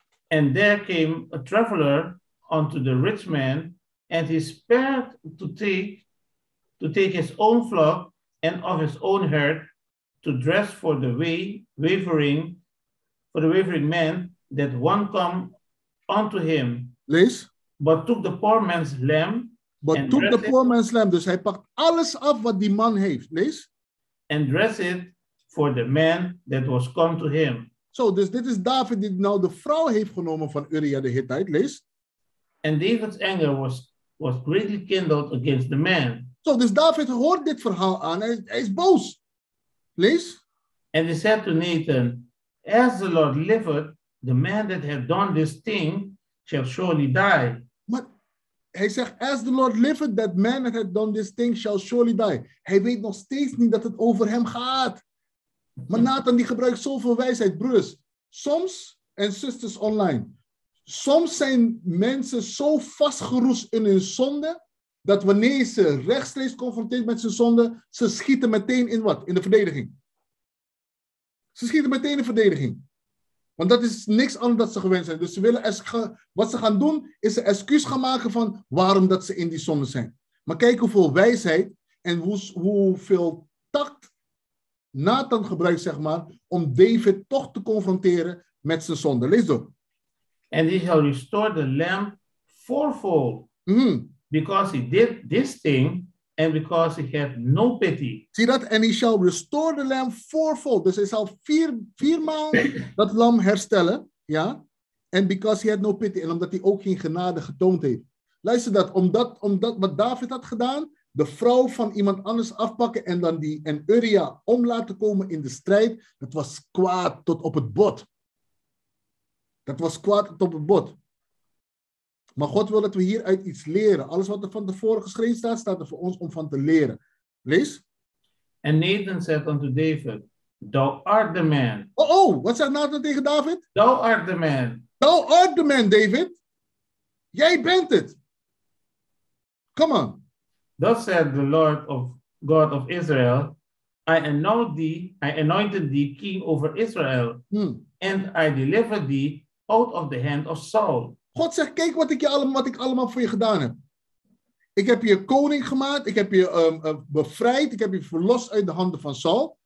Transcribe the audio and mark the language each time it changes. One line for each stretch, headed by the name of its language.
English: And there came a traveler unto the rich man, and he spared to take his own flock and of his own herd to dress for the wavering man that one come unto him. Please. But took the poor man's lamb. But took the poor man's lamb.
Dutch: Dus hij pakt alles af wat die man heeft. Lees.
English: And dressed it for the man that was come to him.
Dutch: So, dus dit is David die nou de vrouw heeft genomen van Uria de Hittite. Lees.
English: And David's anger was greatly kindled against the man.
Dutch: So, dus David hoort dit verhaal aan. Hij is boos. Lees.
English: And he said to Nathan, as the Lord liveth, the man that had done this thing shall surely die.
Dutch: Maar hij zegt,
English: as the Lord liveth, that man that had done this thing shall surely die.
Dutch: Hij weet nog steeds niet dat het over hem gaat. Maar Nathan die gebruikt zoveel wijsheid. Broers, soms, en zusters online, soms zijn mensen zo vastgeroest in hun zonde, dat wanneer ze rechtstreeks confronteerd met zijn zonde, ze schieten meteen in wat? In de verdediging. Ze schieten meteen in de verdediging. Want dat is niks anders dan ze gewend zijn. Dus ze willen wat ze gaan doen, is ze excuus gaan maken van waarom dat ze in die zonde zijn. Maar kijk hoeveel wijsheid en hoeveel tact Nathan gebruikt, zeg maar, om David toch te confronteren met zijn zonde. Lees door.
English: And he shall restore the lamb fourfold. Mm. Because he did this thing and because he had no pity.
Dutch: Zie dat?
English: And he shall restore the lamb fourfold.
Dutch: Dus hij zal viermaal dat lam herstellen. Ja?
English: And because he had no pity.
Dutch: En omdat hij ook geen genade getoond heeft. Luister dat. Omdat wat David had gedaan, de vrouw van iemand anders afpakken en dan die en Uria om laten komen in de strijd, dat was kwaad tot op het bot. Dat was kwaad tot op het bot. Maar God wil dat we hieruit iets leren. Alles wat er van tevoren geschreven staat, staat er voor ons om van te leren. Lees. En Nathan zegt
English: unto David, thou art the man.
Dutch: Oh, wat zegt Nathan tegen David?
English: Thou art the man. Thou art the man, David.
Dutch: Jij bent het.
English: Come on. Thus said the Lord of God of Israel, I anointed thee king over Israel, and I delivered thee out of the hand of Saul.
Dutch: God zegt, kijk wat ik allemaal voor je gedaan heb. Ik heb je koning gemaakt, ik heb je bevrijd, ik heb je verlost uit de handen van Saul.